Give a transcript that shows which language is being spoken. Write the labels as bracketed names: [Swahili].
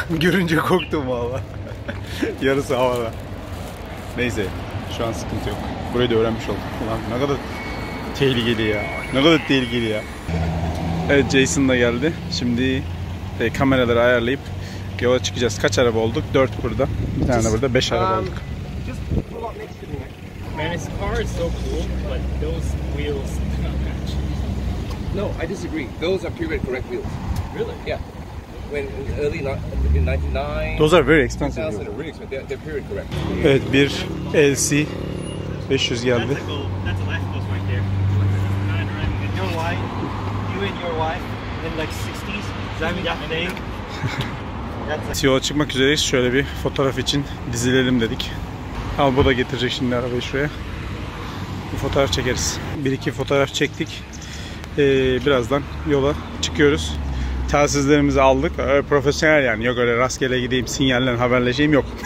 [Turkish] Görünce korktum valla. Yarısı havada. Neyse. Şu an sıkıntı yok. Burayı da öğrenmiş olduk. Ulan ne kadar tehlikeli ya. Ne kadar tehlikeli ya. Evet, Jason da geldi. Şimdi kameraları ayarlayıp yola çıkacağız. Kaç araba olduk? 4 burada. Bir tane burada. 5 araba olduk. [English] Man, his car is so cool, but those wheels do not match. No, I disagree. Those are pre-made correct wheels. Really? Yeah. When early in 99... Those are very expensive. Really expensive. They're pre-made correct. [Turkish] Evet, bir LC 500 geldi. [English] That's a gold. That's a last post right there. And your wife, you and your wife, in like 60s, driving that thing. [Turkish] Yola çıkmak üzereyiz. Şöyle bir fotoğraf için dizilelim dedik. Albo da getirecek şimdi arabayı şuraya. Bir fotoğraf çekeriz. Bir iki fotoğraf çektik. Birazdan yola çıkıyoruz. Telsizlerimizi aldık. Profesyonel yani. Yok öyle rastgele gideyim, sinyallerle haberleşeyim, yok.